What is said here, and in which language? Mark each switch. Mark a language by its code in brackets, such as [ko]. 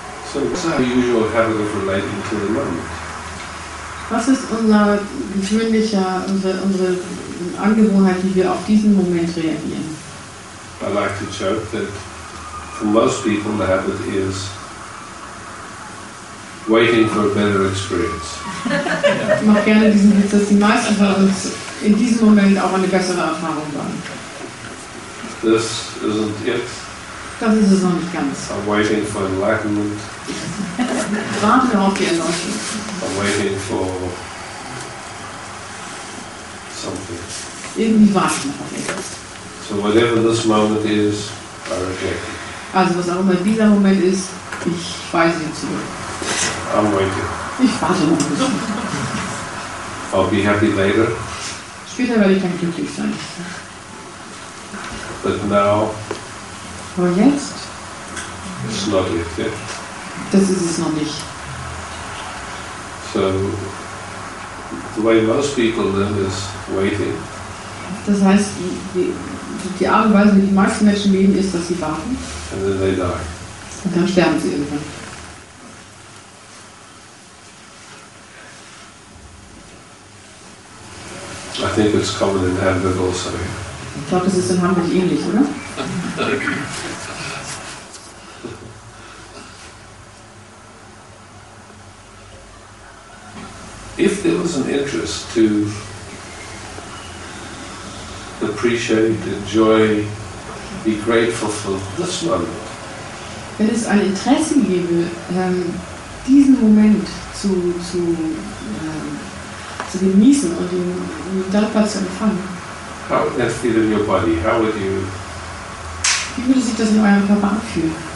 [en] So what's our usual habit of relating to the moment? [de] Was ist unser gewöhnlicher, unsere Angewohnheit, wie wir auf diesen Moment reagieren? [en] I like to joke that for most people the habit is waiting for a better experience. [de] Ich mache gerne diesen Witz, dass die meisten von uns in diesem Moment auch eine bessere Erfahrung waren. [en] This isn't it. [de] Das ist es noch nicht ganz. [en] I'm waiting for enlightenment. [de] Warten wir auf die Erleuchtung. [en] I'm waiting for something. [de] Irgendwie warten wir auf etwas. [en] So whatever this moment is, I reject it. [de] Also was auch immer dieser Moment ist, ich weise ihn zurück. [en] I'm waiting. [de] Ich warte noch ein bisschen. [en] I'll be happy later. [de] Später werde ich dann glücklich sein. [en] But now, [de] aber jetzt? [en] It's not yet, yeah. [de] Das ist es noch nicht. [en] So, the way most people live is waiting. [de] Das heißt, die Art und Weise, wie die meisten Menschen leben, ist, dass sie warten. [en] And then they die. [de] Und dann sterben sie irgendwann. [en] I think it's common in Hamburg also. [de] Ich glaube, das ist in Hamburg ähnlich, oder? [en] If there was an interest to appreciate, enjoy, be grateful for this moment. [de] Wenn es ein Interesse gäbe, diesen Moment zu genießen und ihn dankbar zu empfangen. [en] How would that feel in your body? How would you? [de] Wie würde sich das in eurem Körper anfühlen?